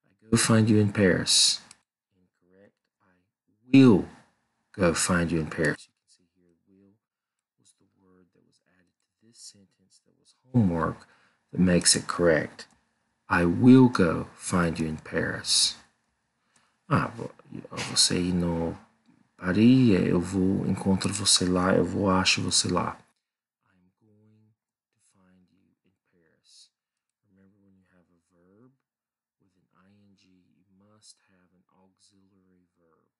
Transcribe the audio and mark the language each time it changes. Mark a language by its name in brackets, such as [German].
[English] Go find you in Paris. Incorrect. I will go find you in Paris. You can see here, will was the word that was added to this sentence that was homework that makes it correct. I will go find you in Paris. [Portuguese] Ah, você ir no Paris, eu vou encontrar você lá, eu vou achar você lá. [English] I'm going to find you in Paris. Remember when you have a verb with an ing, you must have an auxiliary verb.